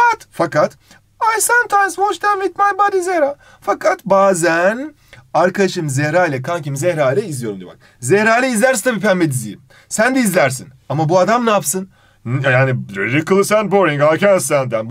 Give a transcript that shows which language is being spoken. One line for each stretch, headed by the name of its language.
English: Fakat, I sometimes watch them with my buddy Zehra.
Turkish: Fakat bazen arkadaşım Zehra ile, kankim Zehra ile izliyorum diyor bak. Zehra ile izlerse tabii pembe diziyi. Sen de izlersin. Ama bu adam ne yapsın?
English: Yani ridiculous and boring, I can't stand them.